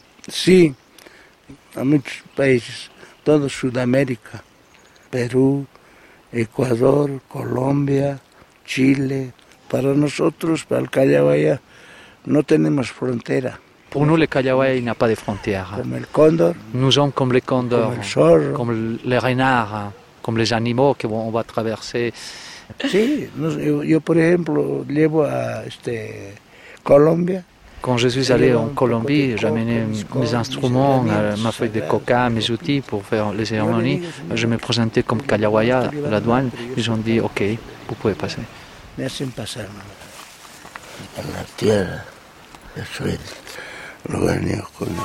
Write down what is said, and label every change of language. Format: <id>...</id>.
<es>Si,</es> <fr>dans beaucoup de pays, tout en Sud-Amérique, Pérou, Équateur, Colombie, Chile, pour nous, pour le Kayawaya.</fr> <es>No tenemos frontera.</es> <fr>Pour nous, le Kayawaya, il n'y a pas de frontière. Comme le condor. Nous sommes comme les condors. Comme le zorro. Comme les renards. Comme les animaux qu'on va traverser.</fr> <es>Si. Yo, por ejemplo, llevo a Colombia.</es> <fr>Quand je suis allé en Colombie, j'amenais mes instruments, ma feuille de coca, mes outils pour faire les cérémonies. Je me présentais comme Kayawaya à la douane. Ils ont dit, ok, vous pouvez passer. Merci de passer, maman. La terre, je suis le dernier connu.</fr>